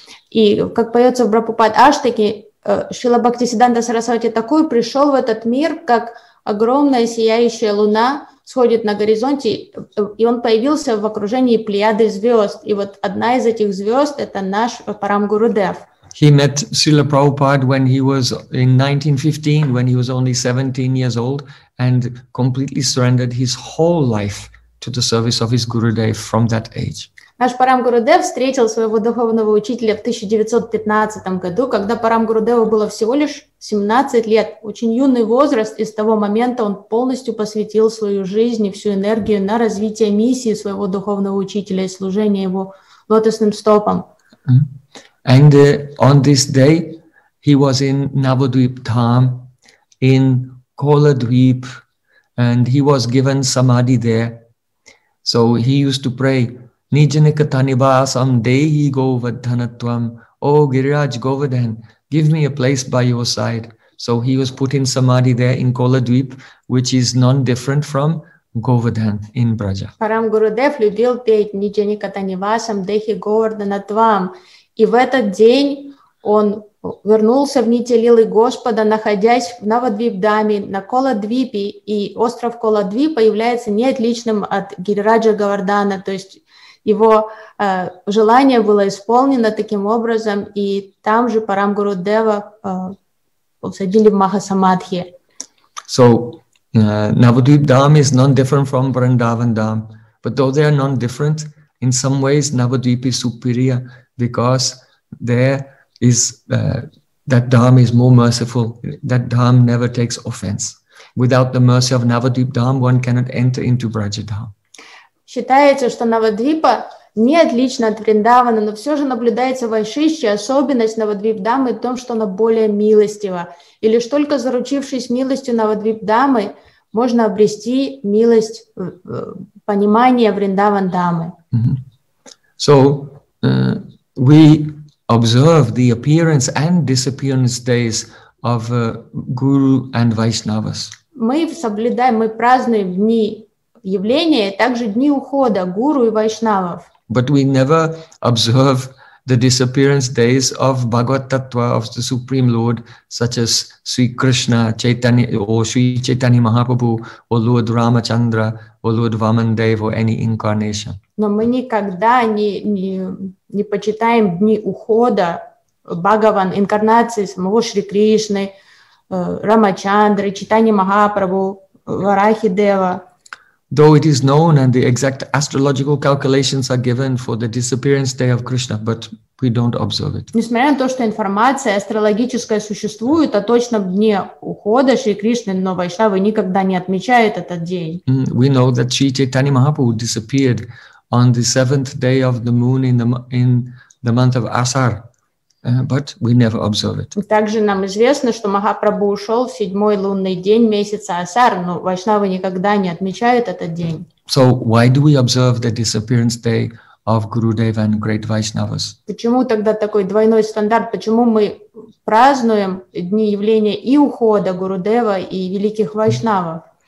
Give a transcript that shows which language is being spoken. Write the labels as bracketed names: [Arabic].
[Russian] И как поется в Брабхупад Аштаке, Шрила Бхакти Сиданта Сарасвати Такур пришел в этот мир, как огромная сияющая луна сходит на горизонте, и он появился в окружении плеяды звезд. И вот одна из этих звезд — это наш Парам Гуру Дев. [English] He met Srila Prabhupada when he was in 1915, when he was only 17 years old, and completely surrendered his whole life to the service of his Gurudev from that age. [Russian] Наш Парам Гуру Дев встретил своего духовного учителя в 1915 году, когда Парам Гуру Деву было всего лишь 17 лет, очень юный возраст, и с того момента он полностью посвятил свою жизнь и всю энергию на развитие миссии своего духовного учителя и служение его лотосным стопам. [English] And on this day he was in Navadvip Dham, in Koladvip, and he was given samadhi there. So he used to pray, [Sanskrit] Nijanikatanibasam Dehi Govardhanatvam, [English] O Giriraj Govardhan, give me a place by your side. So he was put in samadhi there in Koladvip, which is non different from Govardhan in Braja. [Russian] Парам Гуру Дев любил петь [Sanskrit] Nijanikatanibasam Dehi Govardhanatvam. [Russian] И в этот день он вернулся в нити лилы Господа, находясь в Навадвипдаме, на Коладвипе, и остров Коладвипа является неотличным от Гирираджа Говардана, то есть его желание было исполнено таким образом, и там же Парам Гуру Дева посадили в Махасамадхи. [English] So, Navadvipdam is non-different from Vrindavan Dham, but though they are non-different, in some ways Navadvip is superior because there is that Dharma is more merciful. That Dharma never takes offense. Without the mercy of Navadvip Dharma, one cannot enter into Braja Dharma. [Russian] Считается, что Навадвипа не отлично от Вриндавана, но все же наблюдается вайшишча, особенность Навадвипдамы в том, что она более милостива. И лишь только заручившись милостью Навадвипдамы, можно обрести милость, понимание Вриндавандамы. [English] So, we observe the appearance and disappearance days of Guru and Vaishnavas. [Russian] Мы соблюдаем, мы празднуем дни явления, также дни ухода Гуру и Вайшнавов. [English] But we never observe the disappearance days of Bhagavat Tattva, of the Supreme Lord, such as Sri Krishna, Chaitanya, or Sri Chaitanya Mahaprabhu, or Lord Ramachandra, or Lord Vamandev, or any incarnation. [Russian] Но мы никогда не почитаем дни ухода Бхагаван, инкарнации самого Шри Кришны, Рамачандры, Чайтани Махапрабху, Варахи Дева. [English] Though it is known and the exact astrological calculations are given for the disappearance day of Krishna, but we don't observe it. [Russian] Несмотря на то, что информация астрологическая существует о точном дне ухода Шри Кришны, но Вайшнавы никогда не отмечают этот день. [English] We know that Sri Chaitanya Mahaprabhu disappeared on the seventh day of the moon in the month of Asar, but we never observe it. [Russian] Также нам известно, что Махапрабху ушел в седьмой лунный день месяца Асар, но Вайшнавы никогда не отмечают этот день. [English] So why do we observe the disappearance day of Gurudev and great Vaishnavas? [Russian] Почему тогда такой двойной стандарт? Почему мы празднуем дни явления и ухода Гурудева и великих Вайшнавов?